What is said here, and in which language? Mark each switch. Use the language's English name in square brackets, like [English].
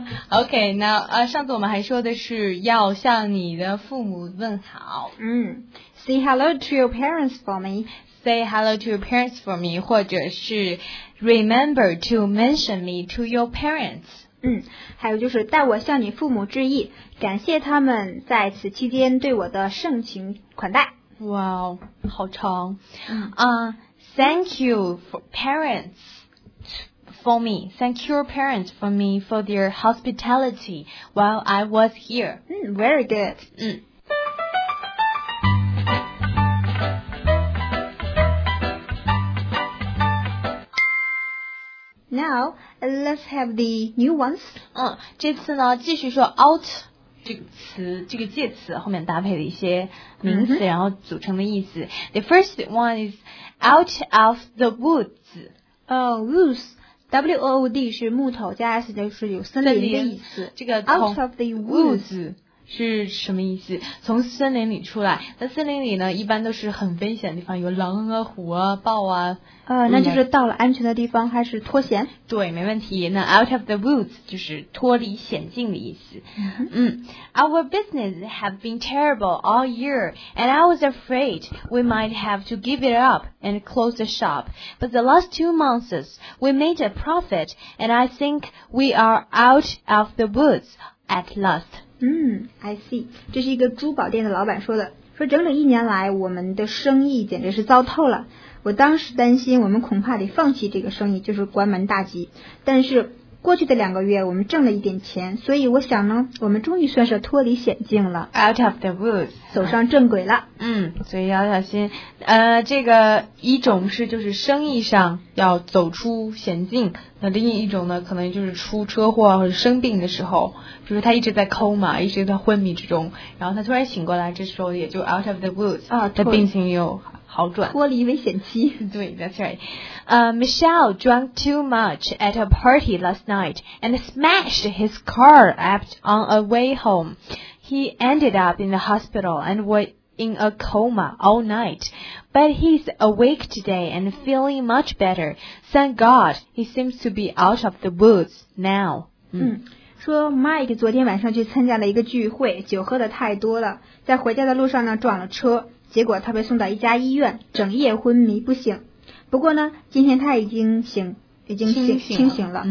[Chinese] OK, 那、上次我们还说的是要向你的父母问好。 [English] Say hello to your parents for me Say hello to your parents for me, [Chinese] 或者是 [English] remember to mention me to your parents. [Chinese] 还有就是代我向你父母致意，感谢他们在此期间对我的盛情款待。 [English] Wow, [Chinese] 好长。 [English] Thank you for parents for me. Thank your parents for me for their hospitality while I was here. Very good. Now, let's have the new ones. [Chinese] 这次呢，继续说 out 这个词，这个介词后面搭配的一些名词，然后组成的意思。 [English] The first one is out of the woods. [Chinese] Woods, W-O-O-D 是木头，加 S 就是有森林的意思。这个 [English] out of the woods [Chinese] 是什么意思？从森林里出来，那森林里呢，一般都是很危险的地方，有狼啊、虎啊、豹啊。那就是到了安全的地方还是脱险。对，没问题。那 [English] out of the woods [Chinese] 就是脱离险境的意思。 [English] Our business have been terrible all year, and I was afraid we might have to give it up and close the shop. But the last 2 months, we made a profit, and I think we are out of the woods at last. I see. [Chinese] 这是一个珠宝店的老板说的，说整整一年来我们的生意简直是糟透了。我当时担心我们恐怕得放弃这个生意，就是关门大吉。但是过去的两个月我们挣了一点钱，所以我想呢，我们终于算是脱离险境了。 [English] Out of the woods. [Chinese] 走上正轨了。所以要小心。这个一种是就是生意上要走出险境，那另一种呢，可能就是出车祸或者生病的时候，比如他一直在抠嘛，一直在昏迷之中，然后他突然醒过来，这时候也就 [English] out of the woods. [Chinese] 他病情又好转，脱离危险期。对 [English] ，That's right. Michelle drank too much at a party last night and smashed his car on a way home. He ended up in the hospital and was in a coma all night. But he's awake today and feeling much better. Thank God, he seems to be out of the woods now. [Chinese] 说 Mike 昨天晚上去参加了一个聚会，酒喝得太多了，在回家的路上呢撞了车。结果他被送到一家医院，整夜昏迷不醒。不过呢，今天他已经清醒了